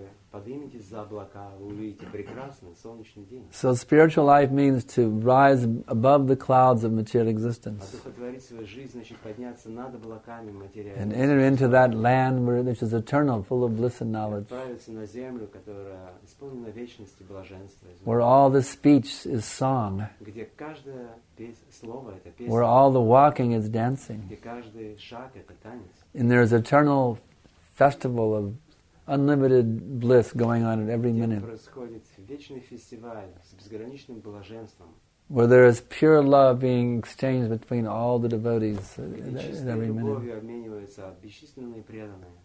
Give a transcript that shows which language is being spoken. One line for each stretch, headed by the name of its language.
Russian: Подымитесь за облака, вы увидите прекрасный солнечный день.
English: So spiritual life means to rise above the clouds of material existence.
Russian: А духотворить свою жизнь, значит, подняться над облаками материальной.
English: And enter into that land where which is eternal, full of bliss and knowledge.
Russian: Отправиться на землю, которая исполнена вечности блаженства.
English: Where all the speech is song.
Russian: Где каждое слово это песня.
English: Where all the walking is dancing.
Russian: Где каждый шаг это танец.
English: And there is eternal festival of unlimited bliss going on at every minute. Where there is pure love being exchanged between all the devotees at every minute.